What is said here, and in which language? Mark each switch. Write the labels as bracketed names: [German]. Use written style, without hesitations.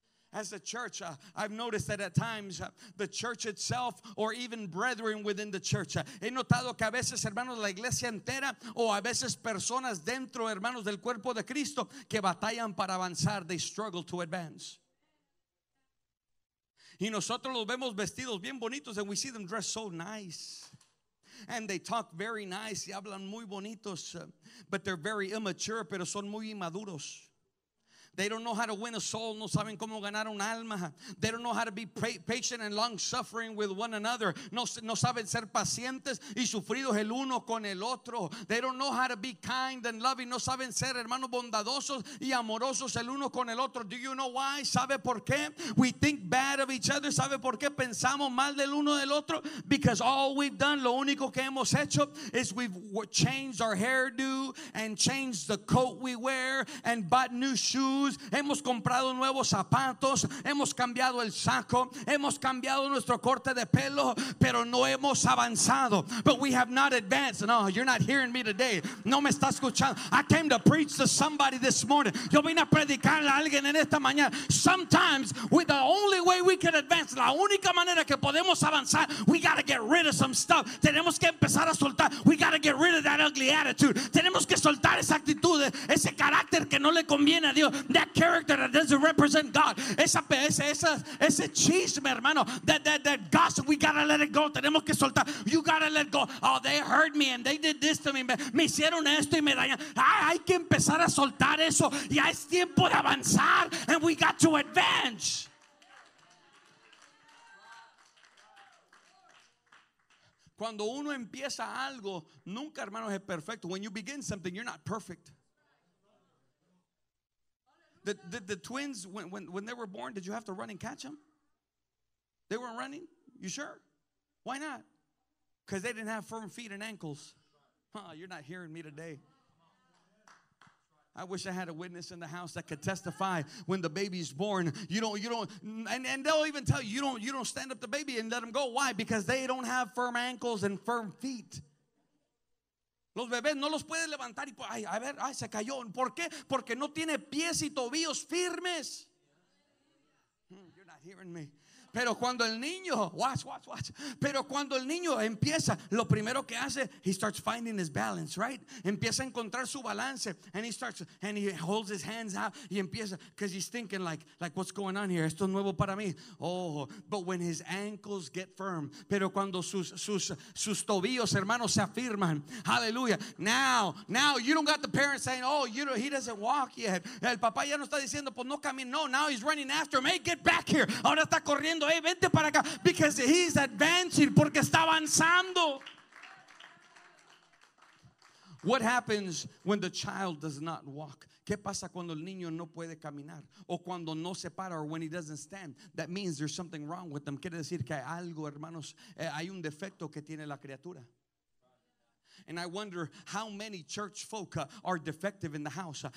[English] As a church, I've noticed that at times the church itself or even brethren within the church. [Spanish] He notado que a veces, hermanos, la iglesia entera o a veces personas dentro, hermanos, del cuerpo de Cristo que batallan para avanzar. [English] They struggle to advance. [Spanish] Y nosotros los vemos vestidos bien bonitos [English] and we see them dressed so nice. And they talk very nice [Spanish] y hablan muy bonitos. [English] But they're very immature, [Spanish] pero son muy inmaduros. [English] They don't know how to win a soul. [Spanish] No saben cómo ganar un alma. [English] They don't know how to be patient and long-suffering with one another. [Spanish] No saben ser pacientes y sufridos el uno con el otro. [English] They don't know how to be kind and loving. [Spanish] No saben ser hermanos bondadosos y amorosos el uno con el otro. [English] Do you know why? [Spanish] ¿Sabe por qué? [English] We think bad of each other. [Spanish] ¿Sabe por qué pensamos mal del uno del otro? [English] Because all we've done, [Spanish] lo único que hemos hecho, [English] is we've changed our hairdo and changed the coat we wear and bought new shoes. [Spanish] Hemos comprado nuevos zapatos, hemos cambiado el saco, hemos cambiado nuestro corte de pelo, pero no hemos avanzado. [English] But we have not advanced. No, you're not hearing me today. [Spanish] No me está escuchando. [English] I came to preach to somebody this morning. [Spanish] Yo vine a predicarle a alguien en esta mañana. [English] Sometimes with the only way we can advance, [Spanish] la única manera que podemos avanzar, [English] we got to get rid of some stuff. [Spanish] Tenemos que empezar a soltar. [English] We got to get rid of that ugly attitude. [Spanish] Tenemos que soltar esa actitud, ese carácter que no le conviene a Dios. [English] That character that doesn't represent God. [Spanish] Ese chisme, hermano. [English] That gossip, we gotta let it go. [Spanish] Tenemos que soltar. [English] You gotta let go. Oh, they hurt me and they did this to me. [Spanish] Me hicieron esto y me dañaron. Hay que empezar a soltar eso. Ya es tiempo de avanzar. [English] And we got to advance. [Spanish] Cuando uno empieza algo, nunca, hermano, es perfecto. [English] When you begin something, you're not perfect. The twins, when they were born, did you have to run and catch them? They weren't running? You sure? Why not? Because they didn't have firm feet and ankles. Oh, you're not hearing me today. I wish I had a witness in the house that could testify when the baby's born. And they'll even tell you, you don't stand up the baby and let them go. Why? Because they don't have firm ankles and firm feet. [Spanish] Los bebés no los pueden levantar y ay, se cayó. ¿Por qué? Porque no tiene pies y tobillos firmes. [English] You're not hearing me. [Spanish] Pero cuando el niño, watch. Pero cuando el niño empieza, lo primero que hace, [English] he starts finding his balance, right? [Spanish] Empieza a encontrar su balance, [English] and he starts, and he holds his hands out, [Spanish] y empieza, [English] because he's thinking like, what's going on here? [Spanish] Esto es nuevo para mí. [English] Oh, but when his ankles get firm, [Spanish] pero cuando sus tobillos, hermanos, se afirman, [English] hallelujah. Now, you don't got the parents saying, oh, you know, he doesn't walk yet. [Spanish] El papá ya no está diciendo, pues no camina. [English] No, now he's running after him. Hey, get back here. [Spanish] Ahora está corriendo. Hey, vente para acá. [English] Because he's advancing, [Spanish] porque está avanzando. [English] What happens when the child does not walk? [Spanish] ¿Qué pasa cuando el niño no puede caminar? O cuando no se para, [English] or when he doesn't stand? That means there's something wrong with them. [Spanish] Quiere decir que hay algo, hermanos, hay un defecto que tiene la criatura. [English] And I wonder how many church folk are defective in the house.